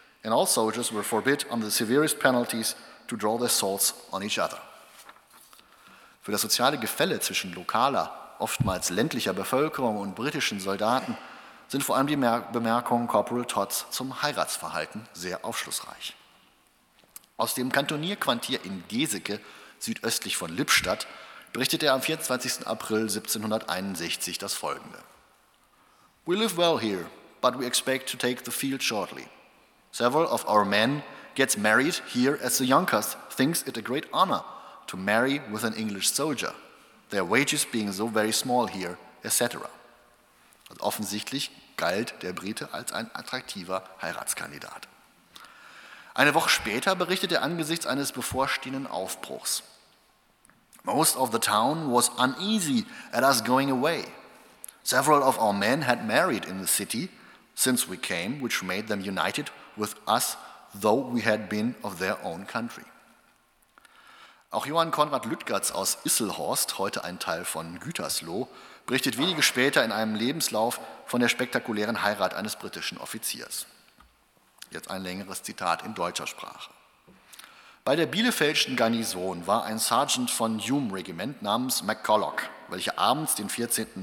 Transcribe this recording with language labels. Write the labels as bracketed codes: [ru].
[en] And all soldiers were forbid under the severest penalties to draw their swords on each other. [de] Für das soziale Gefälle zwischen lokaler, oftmals ländlicher Bevölkerung und britischen Soldaten sind vor allem die Bemerkungen Corporal Todds zum Heiratsverhalten sehr aufschlussreich. Aus dem Kantonierquartier in Geseke, südöstlich von Lippstadt, berichtet er am 24. April 1761 das Folgende. [en] We live well here, but we expect to take the field shortly. Several of our men get married here as the Junkers thinks it a great honor to marry with an English soldier, their wages being so very small here, etc. [de] Also offensichtlich galt der Brite als ein attraktiver Heiratskandidat. Eine Woche später berichtet er angesichts eines bevorstehenden Aufbruchs. [en] Most of the town was uneasy at us going away. Several of our men had married in the city since we came, which made them united with us, though we had been of their own country. [de] Auch Johann Konrad Lüttgatz aus Isselhorst, heute ein Teil von Gütersloh, berichtet wenige später in einem Lebenslauf von der spektakulären Heirat eines britischen Offiziers. Jetzt ein längeres Zitat in deutscher Sprache. Bei der Bielefeldschen Garnison war ein Sergeant von Hume Regiment namens McCulloch, welcher abends den 14.